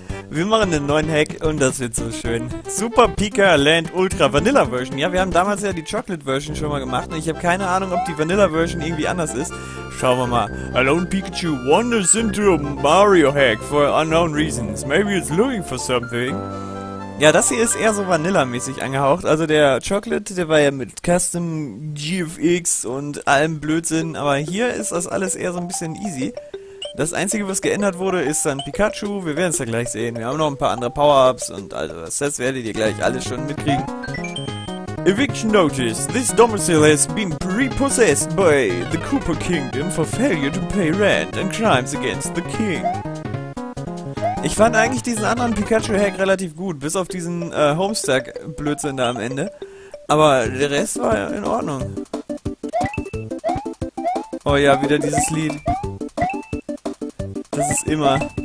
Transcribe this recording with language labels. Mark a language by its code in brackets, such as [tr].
[de] Wir machen den neuen Hack und das wird so schön. Super Pika Land Ultra Vanilla Version. Ja, wir haben damals ja die Chocolate Version schon mal gemacht und ich habe keine Ahnung, ob die Vanilla Version irgendwie anders ist. Schauen wir mal. [en] Alone Pikachu wanders into a Mario Hack for unknown reasons. Maybe it's looking for something. [de] Ja, das hier ist eher so Vanilla-mäßig angehaucht. Also der Chocolate, der war ja mit Custom GFX und allem Blödsinn, aber hier ist das alles eher so ein bisschen easy. Das Einzige, was geändert wurde, ist dann Pikachu. Wir werden es ja gleich sehen. Wir haben noch ein paar andere Power-Ups und all das. Das werdet ihr gleich alles schon mitkriegen. [en] Eviction Notice. This domicile has been prepossessed by the Koopa Kingdom for failure to pay rent and crimes against the king. [de] Ich fand eigentlich diesen anderen Pikachu-Hack relativ gut, bis auf diesen Homestuck-Blödsinn da am Ende. Aber der Rest war ja in Ordnung. Oh ja, wieder dieses Lied. Das ist immer.